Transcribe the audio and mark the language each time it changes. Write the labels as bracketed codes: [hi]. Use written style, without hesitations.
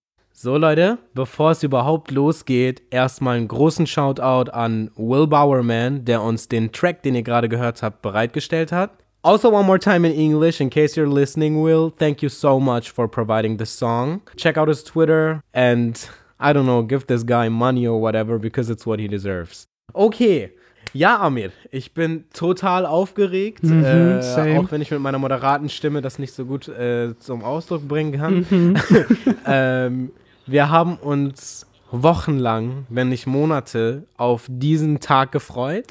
[de] So Leute, bevor es überhaupt losgeht, erstmal einen großen Shoutout an Will Bowerman, der uns den Track, den ihr gerade gehört habt, bereitgestellt hat. [en] Also one more time in English, in case you're listening, Will, thank you so much for providing the song. Check out his Twitter and, I don't know, give this guy money or whatever, because it's what he deserves. [de] Okay, ja Amir, ich bin total aufgeregt, auch wenn ich mit meiner moderaten Stimme das nicht so gut zum Ausdruck bringen kann. Mm-hmm. Wir haben uns wochenlang, wenn nicht Monate, auf diesen Tag gefreut.